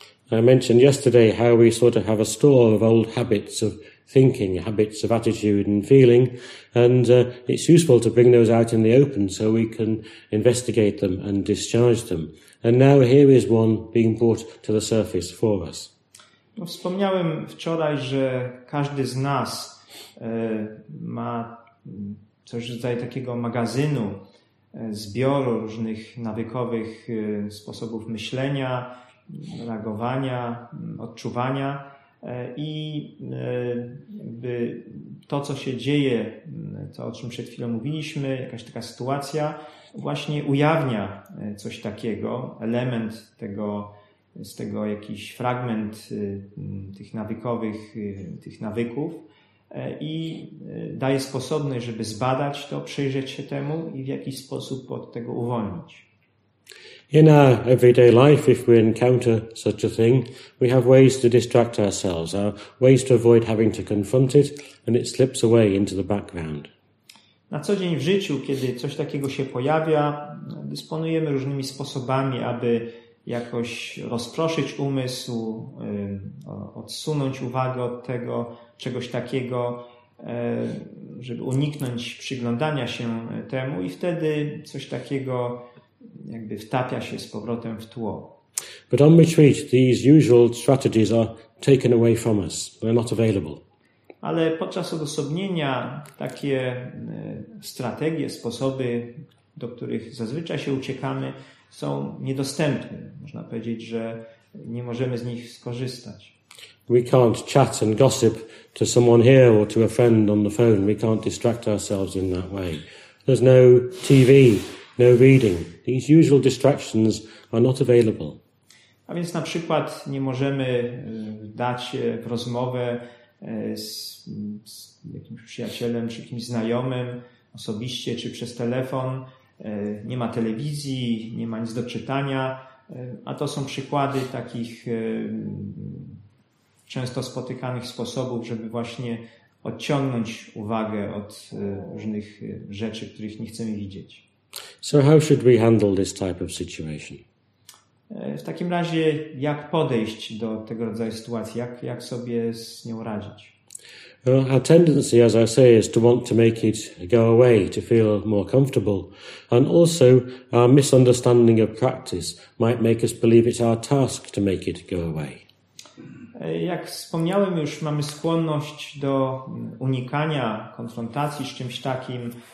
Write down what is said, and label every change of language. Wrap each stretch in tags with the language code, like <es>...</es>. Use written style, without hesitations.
<en>I mentioned yesterday how we sort of have a store of old habits of thinking, habits of attitude and feeling, and it's useful to bring those out in the open so we can investigate them and discharge them. And now here is one being brought to the surface for us.</en> <pl>No, wspomniałem wczoraj, że każdy z nas ma coś w rodzaju takiego magazynu, zbioru różnych nawykowych sposobów myślenia, reagowania, odczuwania i jakby to, co się dzieje, to, o czym przed chwilą mówiliśmy, jakaś taka sytuacja właśnie ujawnia coś takiego, element tego, z tego jakiś fragment tych nawykowych, tych nawyków i daje sposobność, żeby zbadać to, przyjrzeć się temu i w jakiś sposób od tego uwolnić.</pl> <en>In our everyday life, if we encounter such a thing, we have ways to distract ourselves, our ways to avoid having to confront it, and it slips away into the background.</en> <pl>Na co dzień w życiu, kiedy coś takiego się pojawia, dysponujemy różnymi sposobami, aby jakoś rozproszyć umysł, odsunąć uwagę od tego, czegoś takiego, żeby uniknąć przyglądania się temu i wtedy coś takiego jakby wtapia się z powrotem w tło.</pl> <en>But on retreat, these usual strategies are taken away from us. They're not available.</en> <pl>Ale podczas odosobnienia takie strategie, sposoby, do których zazwyczaj się uciekamy, są niedostępne. Można powiedzieć, że nie możemy z nich skorzystać.</pl> <en>We can't chat and gossip to someone here or to a friend on the phone. We can't distract ourselves in that way. There's no TV, no reading. These usual distractions are not available.</en> <pl>A więc na przykład nie możemy dać się w rozmowę z jakimś przyjacielem czy kimś znajomym osobiście czy przez telefon. Nie ma telewizji, nie ma nic do czytania, a to są przykłady takich często spotykanych sposobów, żeby właśnie odciągnąć uwagę od różnych rzeczy, których nie chcemy widzieć.</pl> <en>So how should we handle this type of situation?</en> <pl>W takim razie, jak podejść do tego rodzaju sytuacji? Jak sobie z nią radzić?</pl> <en>Well, our tendency, as I say, is to want to make it go away, to feel more comfortable. And also, our misunderstanding of practice might make us believe it's our task to make it go away.</en> <pl>Jak wspomniałem już, mamy skłonność do unikania konfrontacji z czymś takim.</pl>